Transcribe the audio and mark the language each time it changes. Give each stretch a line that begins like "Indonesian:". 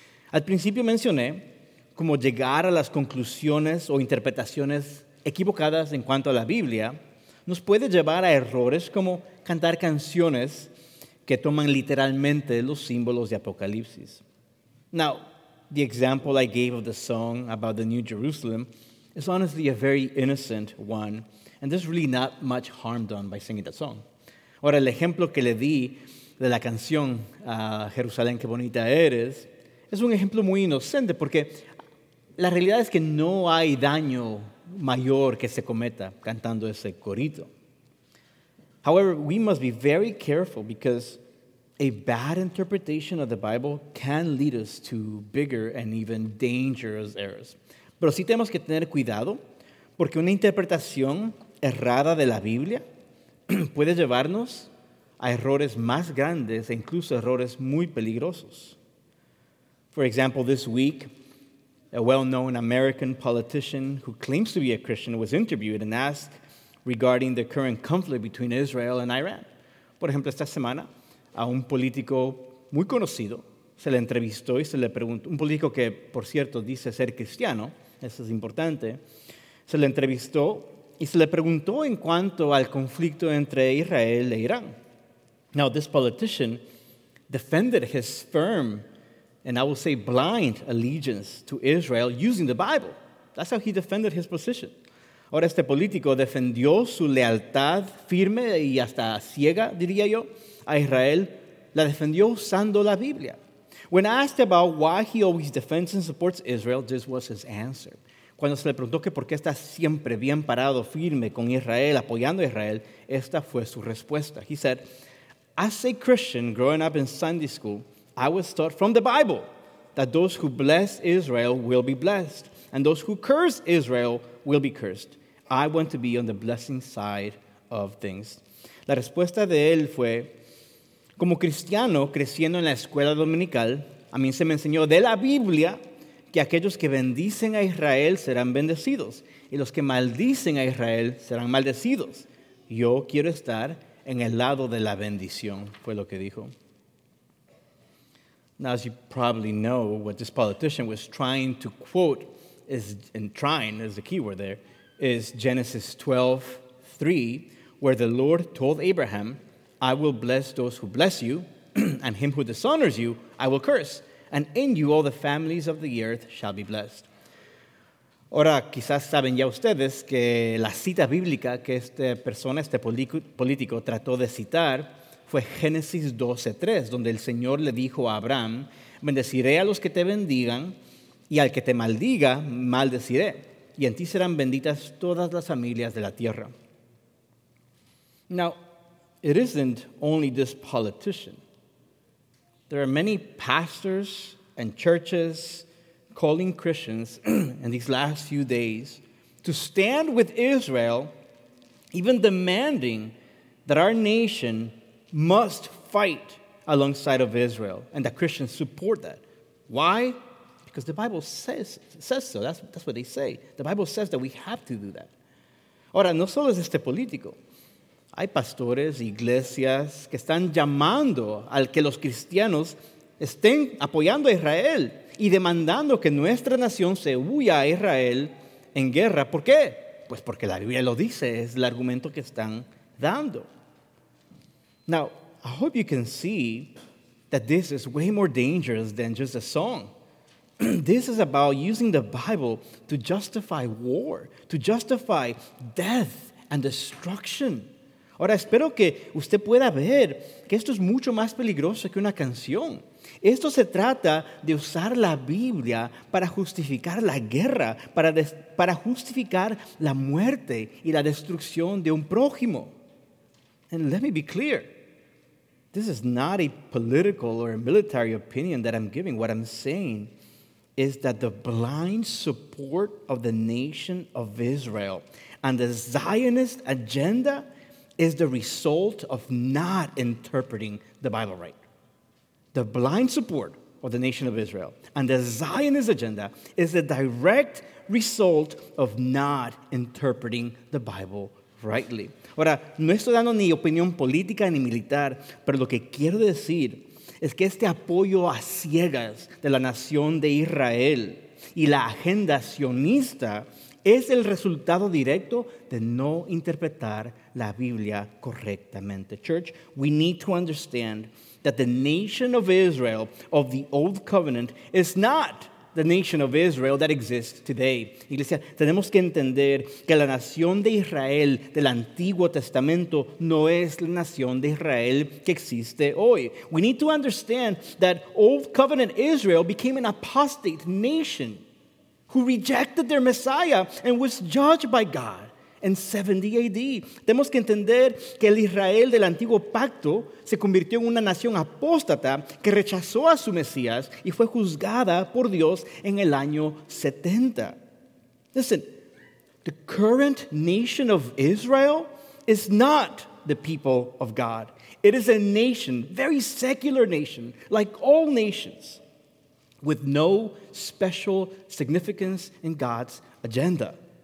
Spanish: Al principio mencioné cómo llegar a las conclusiones o interpretaciones equivocadas en cuanto a la Biblia nos puede llevar a errores como cantar canciones que toman literalmente los símbolos de Apocalipsis.
English: Now, the example I gave of the song about the New Jerusalem is honestly a very innocent one, and there's really not much harm done by singing that song.
Spanish: Ahora, el ejemplo que le di de la canción Jerusalén, qué bonita eres, es un ejemplo muy inocente, porque la realidad es que no hay daño mayor que se cometa cantando ese corito.
English: However, we must be very careful because a bad interpretation of the Bible can lead us to bigger and even dangerous errors.
Spanish: Pero sí tenemos que tener cuidado porque una interpretación errada de la Biblia puede llevarnos a errores más grandes e incluso errores muy peligrosos.
English: For example, this week, a well-known American politician who claims to be a Christian was interviewed and asked regarding the current conflict between Israel and Iran.
Spanish: Por ejemplo, esta semana, a un político muy conocido se le entrevistó y se le preguntó, un político que, por cierto, dice ser cristiano, eso es importante, se le entrevistó y se le preguntó en cuanto al conflicto entre Israel e Irán.
English: Now, this politician defended his firm and I will say blind allegiance to Israel using the Bible. That's how he defended his position.
Spanish: Ahora este político defendió su lealtad firme y hasta ciega, diría yo, a Israel. La defendió usando la Biblia.
English: When asked about why he always defends and supports Israel, this was his answer.
Spanish: Cuando se le preguntó que por qué está siempre bien parado, firme con Israel, apoyando a Israel, esta fue su respuesta.
English: He said, as a Christian growing up in Sunday school, I was taught from the Bible that those who bless Israel will be blessed, and those who curse Israel will be cursed. I want to be on the blessing side of things.
Spanish: La respuesta de él fue, como cristiano creciendo en la escuela dominical, a mí se me enseñó de la Biblia que aquellos que bendicen a Israel serán bendecidos, y los que maldicen a Israel serán maldecidos. Yo quiero estar en el lado de la bendición, fue lo que dijo.
English: Now, as you probably know, what this politician was trying to quote is, and trying is the key word there, is Genesis 12:3, where the Lord told Abraham, I will bless those who bless you, and him who dishonors you, I will curse, and in you all the families of the earth shall be blessed.
Spanish: Ahora, quizás saben ya ustedes que la cita bíblica que esta persona, este político, trató de citar fue Génesis 12:3, donde el Señor le dijo a Abraham, bendeciré a los que te bendigan, y al que te maldiga, maldeciré, y en ti serán benditas todas las familias de la tierra.
English: Now, it isn't only this politician. There are many pastors and churches calling Christians in these last few days to stand with Israel, even demanding that our nation must fight alongside of Israel and that Christians support that. Why? Because the Bible says so. That's what they say. The Bible says that we have to do that.
Spanish: Ahora, no solo es este político. Hay pastores, iglesias que están llamando al que los cristianos estén apoyando a Israel y demandando que nuestra nación se huya a Israel en guerra. ¿Por qué? Pues porque la Biblia lo dice, es el argumento que están dando.
English: Now, I hope you can see that this is way more dangerous than just a song. This is about using the Bible to justify war, to justify death and destruction.
Spanish: Ahora, espero que usted pueda ver que esto es mucho más peligroso que una canción. Esto se trata de usar la Biblia para justificar la guerra, para justificar la muerte y la destrucción de un prójimo.
English: And let me be clear. This is not a political or a military opinion that I'm giving. What I'm saying is that the blind support of the nation of Israel and the Zionist agenda is the result of not interpreting the Bible right. The blind support of the nation of Israel and the Zionist agenda is the direct result of not interpreting the Bible rightly.
Spanish: Ahora, no estoy dando ni opinión política ni militar, pero lo que quiero decir es que este apoyo a ciegas de la nación de Israel y la agenda sionista es el resultado directo de no interpretar la Biblia correctamente.
English: Church, we need to understand that the nation of Israel of the Old Covenant is not the nation of Israel that exists today.
Spanish: Iglesia, tenemos que entender que la nación de Israel del Antiguo Testamento no es la nación de Israel que existe hoy.
English: We need to understand that Old Covenant Israel became an apostate nation who rejected their Messiah and was judged by God in 70 AD.
Spanish: Tenemos que entender que el Israel del Antiguo Pacto se convirtió en una nación apóstata que rechazó a su Mesías y fue juzgada por Dios en el año 70.
English: Listen, the current nation of Israel is not the people of God. It is a nation, very secular nation, like all nations, with no special significance in God's agenda.